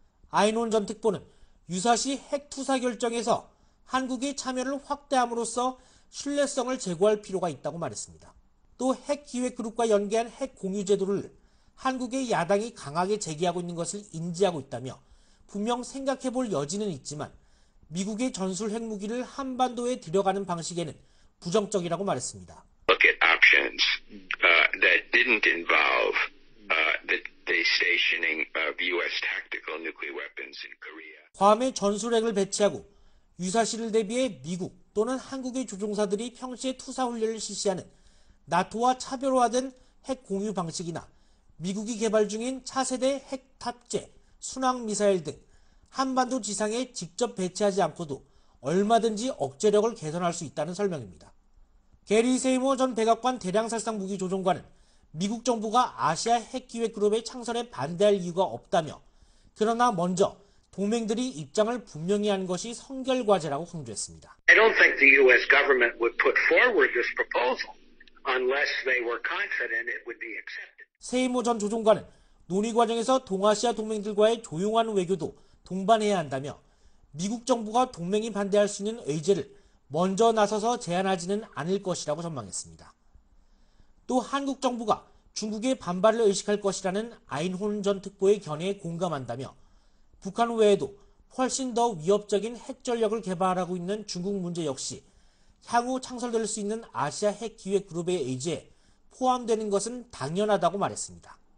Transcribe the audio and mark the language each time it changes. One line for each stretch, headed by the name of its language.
Korean: 아인혼 전 특보는 유사시 핵 투사 결정에서 한국이 참여를 확대함으로써 신뢰성을 제고할 필요가 있다고 말했습니다. 또 핵 기획 그룹과 연계한 핵 공유 제도를 한국의 야당이 강하게 제기하고 있는 것을 인지하고 있다며 분명 생각해 볼 여지는 있지만 미국의 전술 핵무기를 한반도에 들여가는 방식에는 부정적이라고 말했습니다.
English: Look at options that didn't involve the stationing of US tactical nuclear weapons in Korea.
Korean: 괌의 전술핵을 배치하고 유사시를 대비해 미국 또는 한국의 조종사들이 평시에 투사 훈련을 실시하는 나토와 차별화된 핵 공유 방식이나 미국이 개발 중인 차세대 핵 탑재, 순항 미사일 등 한반도 지상에 직접 배치하지 않고도 얼마든지 억제력을 개선할 수 있다는 설명입니다. 게리 세이머 전 백악관 대량살상 무기 조종관은 미국 정부가 아시아 핵기획 그룹의 창설에 반대할 이유가 없다며 그러나 먼저 동맹들이 입장을 분명히 한 것이 선결 과제라고 강조했습니다.
English: I don't think the US government would put forward this proposal unless they were confident it would be accepted.
Korean: 세이머 전 조종관은 논의 과정에서 동아시아 동맹들과의 조용한 외교도 동반해야 한다며 미국 정부가 동맹이 반대할 수 있는 의제를 먼저 나서서 제안하지는 않을 것이라고 전망했습니다. 또 한국 정부가 중국의 반발을 의식할 것이라는 아인혼 전 특보의 견해에 공감한다며 북한 외에도 훨씬 더 위협적인 핵전력을 개발하고 있는 중국 문제 역시 향후 창설될 수 있는 아시아 핵기획 그룹의 의제에 포함되는 것은 당연하다고 말했습니다.